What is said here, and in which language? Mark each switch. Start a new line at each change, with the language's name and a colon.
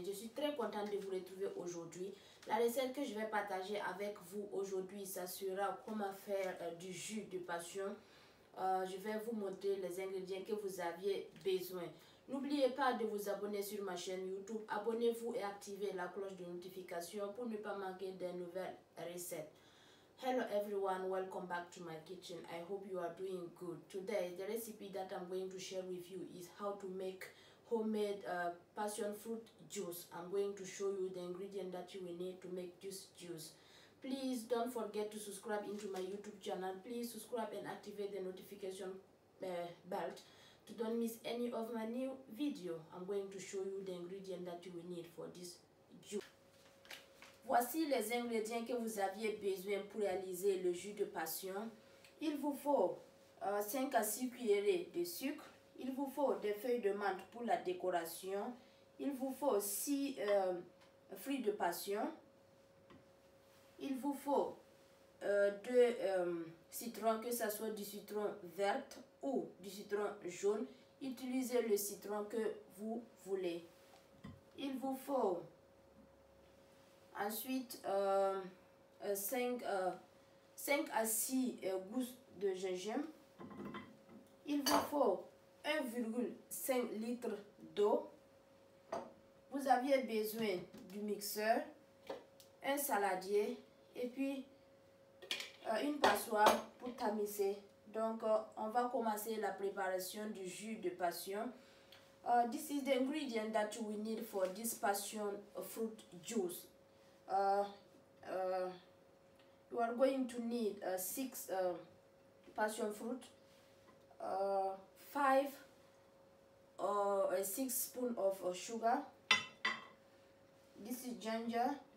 French: Je suis très contente de vous retrouver aujourd'hui. La recette que je vais partager avec vous aujourd'hui, ça sera comment faire du jus de passion. Je vais vous montrer les ingrédients que vous aviez besoin. N'oubliez pas de vous abonner sur ma chaîne YouTube, abonnez-vous et activez la cloche de notification pour ne pas manquer de nouvelles recettes.
English: Hello everyone, welcome back to my kitchen. I hope you are doing good. Today, the recipe that I'm going to share with you is how to make homemade passion fruit juice. I'm going to show you the ingredients that you will need to make this juice. Please don't forget to subscribe into my YouTube channel. Please subscribe and activate the notification bell to don't miss any of my new video. I'm going to show you the ingredients that you will need for this juice.
French: Voici les ingrédients que vous aviez besoin pour réaliser le jus de passion. Il vous faut 5 à 6 cuillerées de sucre. Il vous faut des feuilles de menthe pour la décoration. Il vous faut 6 fruits de passion. Il vous faut 2 citrons, que ce soit du citron vert ou du citron jaune. Utilisez le citron que vous voulez. Il vous faut... Ensuite, 5 à 6 gousses de gingembre. Il vous faut 1,5 litre d'eau. Vous aviez besoin du mixeur, un saladier et puis une passoire pour tamisser. Donc, on va commencer la préparation du jus de passion.
English: This is the ingredient that we need for this passion fruit juice. You are going to need 6 passion fruit, 5 or 6 spoon of sugar. This is ginger.